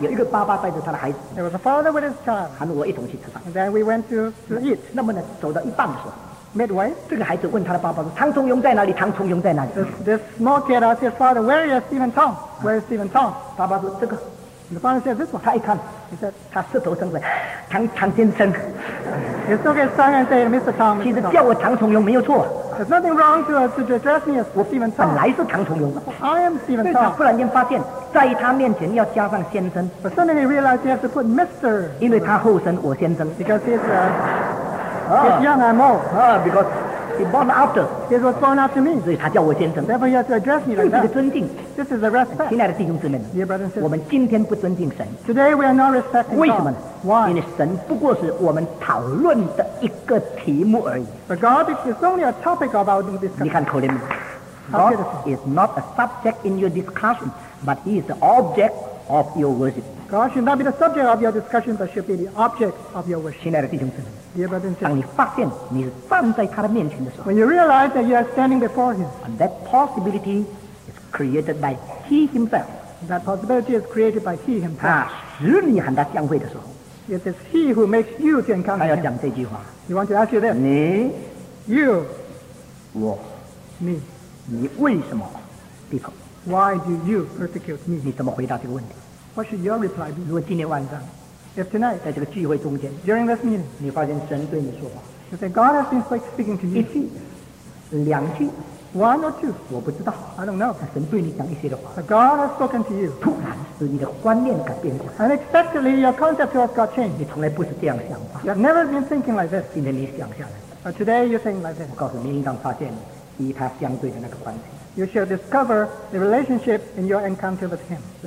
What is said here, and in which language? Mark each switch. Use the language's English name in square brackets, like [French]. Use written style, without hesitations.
[Chinese] 有一个爸爸带着他的孩子。 [English] There was a father with his child. [Chinese] 喊我一同去吃饭。 [English] And then we went to eat. [Chinese] 那么呢，走到一半的时候 [English] ，midway， [Chinese] 这个孩子问他的爸爸说：“唐崇荣在哪里？唐崇荣在哪里 [English] ？”This small kid asked his father, "Where is Stephen Tong? Where is Stephen Tong?" [Chinese] 爸爸说：“这个。” [English] And the father said, "This one." [Chinese] 他一看 [English] ，He said, [Chinese] 他舌头伸出来，唐先生。 [English] He took his tongue and said, "Mr. Tong." [Chinese] 其实叫我唐崇荣没有错。 [English] There's nothing wrong to address me as Stephen Tong. [Chinese] 本来是唐崇荣。 [English] I am Stephen Tong. [Chinese] 但是他忽然间发现，在他面前要加上先生。 [English] But suddenly he realized he has to put Mr. [Chinese] 因为他后生，我先生。 [English] Because he's he's young, I'm old. Because he born after. He was born after me. [Chinese] 所以他叫我先生。 [English] Therefore he has to address me like that. [Chinese] 这个尊敬。 [English] This is a respect. [Chinese] 亲爱的弟兄姊妹们 [English] ，Dear brothers and sisters, [Chinese] 我们今天不尊敬神。 [English] Today we are not respecting God. [Chinese] 为什么呢？ [English] Why? [Chinese] 因为神不过是我们讨论的一个题目而已。 [English] But God is only a topic of our discussion. [Chinese] 你看口令吗？ [English] God is not a subject in your discussion, but He is the object of your worship. God should not be the subject of your discussion, but should be the object of your worship. [Chinese] 亲爱的弟兄姊妹 [English] ，Dear brothers and sisters, [Chinese] 当你发现你是站在他的面前的时候 [English] ，When you realize that you are standing before Him, and that possibility. Created by He Himself. That possibility is created by He Himself. It is He who makes you to encounter Him. He wants to ask you this. [Chinese] 你, [English] you. [Chinese] 我, [English] me. [Chinese] 你为什么逼迫? [English] Why do you persecute me? [Chinese] 你怎么回答这个问题? [English] What should your reply be? [Chinese] 如果今天晚上, [English] If tonight, [Chinese] 在这个聚会中间, [English] during this meeting, [Chinese] 你发现神对你说话, [English] you say, God has been speaking to you. [Chinese] 一句, 两句, [English] One or two? [Chinese] 我不知道。 [English] I don't know. [Chinese] 神对你讲一些的话。 [English] But God has spoken to you. [Chinese] 突然使你的观念改变过来。 [English] Unexpectedly, your concept has got changed. [Chinese] 你从来不是这样想法。 [English] You have never been thinking like this. [Chinese] 今天你想下来。 [English] But today you're thinking like this. [Chinese] 我告诉你，应当发现与他相对的那个关系。 [English] You shall discover the relationship in your encounter with Him.